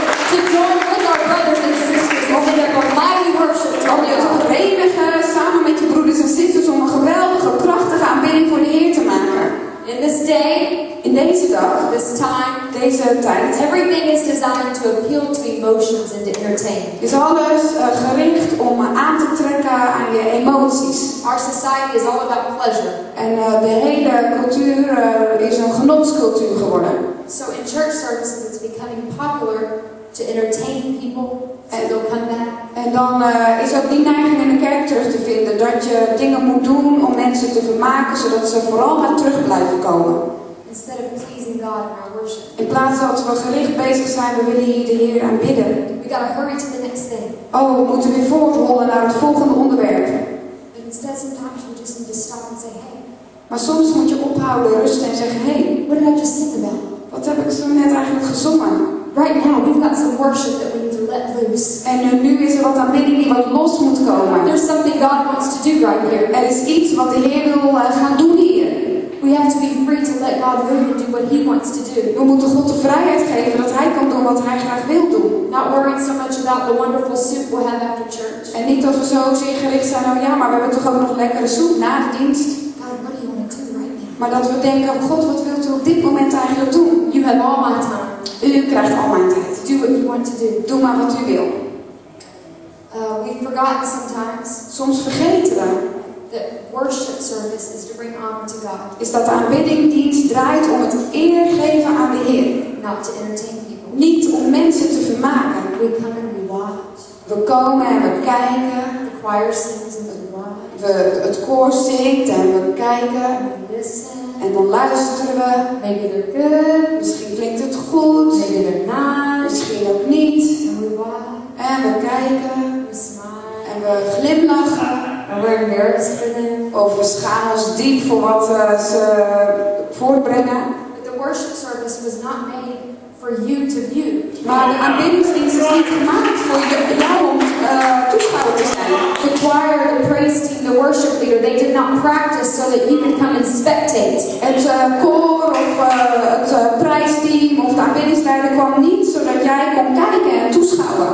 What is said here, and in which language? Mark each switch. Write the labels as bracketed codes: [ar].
[en] to join with our brothers and sisters [nl] om een [en] mighty worship. [nl] Om je te verenigen samen met je broeders en zusters om een geweldige, krachtige aanbidding voor de Heer te maken. [en] In this day, [nl] in deze dag, [en] this time, [nl] deze tijd, [en] everything is designed to appeal to emotions and to entertain. [nl] Is alles gericht om aan te trekken aan je emoties. [en] Our society is all about pleasure. [nl] En de hele cultuur is een genotscultuur geworden. [en] So in church services, it's becoming popular to entertain people, so they'll come back. [nl] En dan is ook die neiging in de kerk terug te vinden dat je dingen moet doen om mensen te vermaken, zodat ze vooral maar terug blijven komen. [en] Instead of pleasing God in our worship. [nl] In plaats dat we gericht bezig zijn, we willen hier de Heer aanbidden. [en] We gotta hurry to the next thing. [nl] Oh, we moeten weer voortrollen naar het volgende onderwerp. [en] Instead, sometimes we just need to stop and say, hey. [nl] Maar soms moet je ophouden, rusten en zeggen, hey. [en] What did I just sing about? [nl] Wat heb ik zo net eigenlijk gezongen? [en] Right now, we've got some worship that we need to let loose. [nl] En nu is er wat aanbidding die wat los moet komen. [en] There's something God wants to do right here. [nl] Er is iets wat de Heer wil gaan doen hier. [en] We have to be free to let God go and do what He wants to do. [nl] We moeten God de vrijheid geven dat Hij kan doen wat Hij graag wil doen. [en] Not worrying so much about the wonderful soup we'll have after church. [nl] En niet dat we zo zeer gericht zijn, nou ja, maar we hebben toch ook nog lekkere soep na de dienst. [en] God, what do you want to do right now? [nl] Maar dat we denken, God, wat wilt u op dit moment eigenlijk doen? [en] You have all my time. [nl] U krijgt al mijn tijd. [en] Do what you want to do. [nl] Doe maar wat u wil. [en] We forgot sometimes. [nl] Soms vergeten we. [en] The worship service is to bring honor to God. [nl] Is dat de aanbidding dienst draait om het eer geven aan de Heer. [en] Not to entertain people. [nl] Niet om mensen te vermaken. [en] We come and we watch. [nl] We komen en we kijken. [en] The choir sings and we watch. [nl] Het koor zingt en we kijken. [en] We listen. [nl] En dan luisteren we. [en] Maybe they're good. [nl] Misschien klinkt het goed. [en] Maybe they're not. [nl] Misschien ook niet. [en] And we watch. [nl] En we kijken. [en] We smile. [nl] En we glimlachen. [en] And we're embarrassed for them. [nl] Of we schamen ons diep voor wat ze voortbrengen. [en] But the worship service was not made for you to view. [nl] Maar de aanbiddingsdienst is niet gemaakt voor jou om toeschouwer te zijn. [en] The choir, the praise team, the worship leader, they did not practice so that you could come and spectate. [nl] Het koor of het prijsteam of de aanbiddingsleider kwam niet zodat jij kon kijken en toeschouwen.